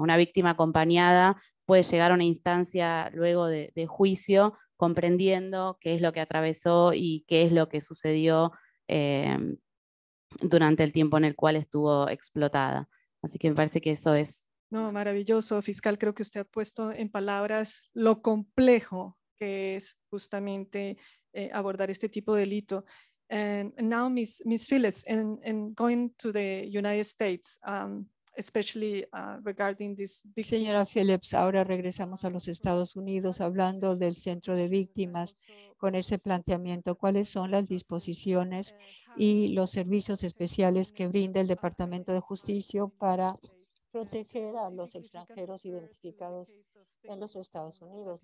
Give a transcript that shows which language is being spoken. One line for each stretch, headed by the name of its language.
Spanish: Una víctima acompañada puede llegar a una instancia luego de juicio comprendiendo qué es lo que atravesó y qué es lo que sucedió durante el tiempo en el cual estuvo explotada. Así que me parece que eso es... No, maravilloso, fiscal. Creo que usted ha puesto en palabras lo complejo que es justamente abordar este tipo de delito.
English: And now, Ms. Phillips, in going to the United States, especially regarding this victim.
Spanish: Señora Phillips, ahora regresamos a los Estados Unidos hablando del Centro de Víctimas con ese planteamiento. ¿Cuáles son las disposiciones y los servicios especiales que brinda el Departamento de Justicia para proteger a los extranjeros identificados en los Estados Unidos?